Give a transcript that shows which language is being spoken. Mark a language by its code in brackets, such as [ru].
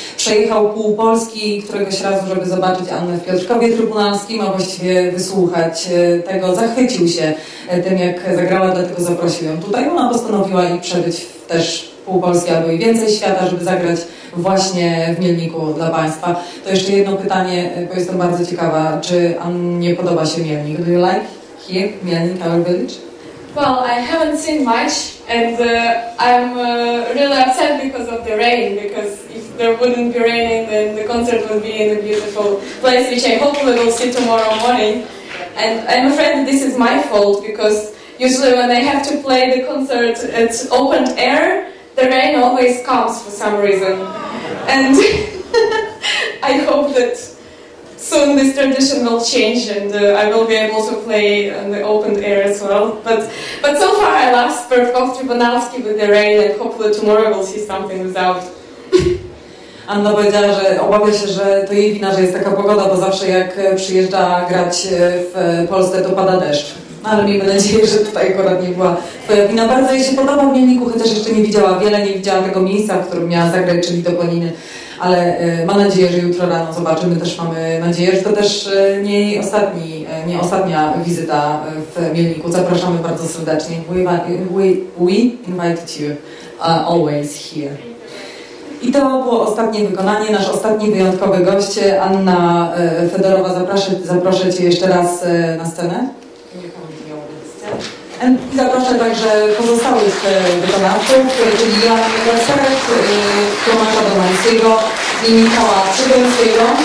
[pl] Przejechał pół Polski któregoś razu, żeby zobaczyć Annę w Piotrkowie Trybunalskim, a właściwie wysłuchać tego. Zachwycił się tym, jak zagrała, dlatego zaprosił ją tutaj. Ona postanowiła i przebyć też pół Polski albo i więcej świata, żeby zagrać właśnie w Mielniku dla Państwa. To jeszcze jedno pytanie, bo jestem bardzo ciekawa, czy Annie podoba się Mielnik? [en] Do you like here, Mielnik, our village? Well, I haven't seen much, and I'm really upset because of the rain, because if there wouldn't be raining, then the concert would be in a beautiful place, which I hopefully will see tomorrow morning. And I'm afraid that this is my fault, because usually when I have to play the concert at open air, the rain always comes for some reason. And I hope that soon this tradition will change and I will be able to play in the open air as well. But so far I love Spirkov Trybunalski with the rain, and hopefully tomorrow we'll see something without. [pl] Anna powiedziała, że obawia się, że to jej wina, że jest taka pogoda, bo zawsze jak przyjeżdża grać w Polsce, to pada deszcz. Ale miejmy nadzieję, że tutaj akurat nie była twoja wina. Bardzo jej się podoba w Mielniku, chociaż jeszcze nie widziała wiele, nie widziała tego miejsca, w którym miała zagrać, czyli do Poliny. Ale ma nadzieję, że jutro rano zobaczymy. Też mamy nadzieję, że to też nie jej ostatni, nie ostatnia wizyta w Mielniku. Zapraszamy bardzo serdecznie. [en] We invite you always here. [pl] I to było ostatnie wykonanie, nasz ostatni wyjątkowy gość. Anna Fedorowa, zaproszę cię jeszcze raz na scenę. I zaproszę także pozostałych wykonawców, czyli Joanny Gerserek, Tomasza Domańskiego i Michała Przybylskiego.